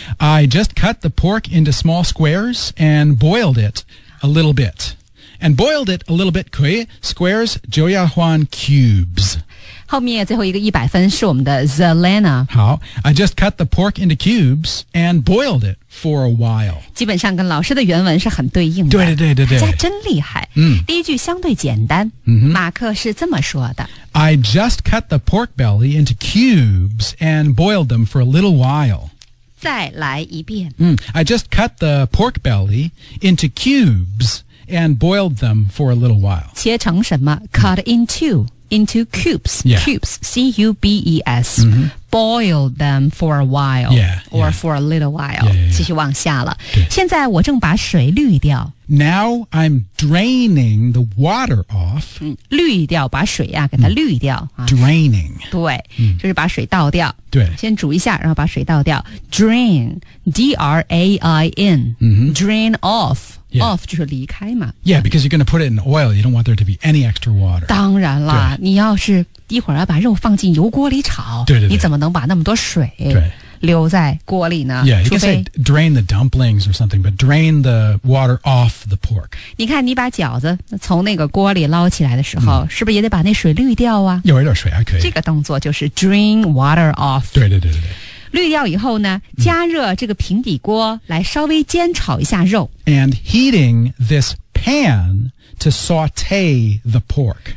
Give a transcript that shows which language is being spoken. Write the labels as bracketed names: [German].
[English] I just cut the pork into small squares. And boiled it a little bit. And boiled it a little bit, 可以 Squares, 就要换 cubes. [Chinese] 后面最后一个一百分是我们的 Zelena. [English] 好 I just cut the pork into cubes and boiled it for a while. [Chinese] 基本上跟老师的原文是很对应的。对对对对对。大家真厉害。第一句相对简单。马克是这么说的。 [English] I just cut the pork belly into cubes and boiled them for a little while. [Chinese] 再来一遍。 [English] I just cut the pork belly into cubes and boiled them for a little while. [Chinese] 切成什么 ? Cut into cubes,、 yeah. [English] cubes, C-U-B-E-S,、boiled them for a while, yeah, or yeah. for a little while. Yeah, yeah, yeah. [Chinese] 继续往下了。现在我正把水滤掉。 [English] Now I'm draining the water off. [Chinese] 滤掉把水啊给它滤掉、 [English] Draining. [Chinese] 对、就是把水倒掉。对。先煮一下然后把水倒掉。 [English] Drain, D-R-A-I-N,、drain off. Yeah. [Chinese] Off 就是离开嘛 [English] Yeah, because you're going to put it in oil You don't want there to be any extra water [Chinese] 当然啦你要是一会儿要把肉放进油锅里炒对对对你怎么能把那么多水留在锅里呢 [English] Yeah, you can say drain the dumplings or something But drain the water off the pork [Chinese] 你看你把饺子从那个锅里捞起来的时候、是不是也得把那水滤掉啊有一点水还可以这个动作就是 drain water off 对对对对对滤掉以后呢加热这个平底锅来稍微煎炒一下肉 [English] And heating this pan to saute the pork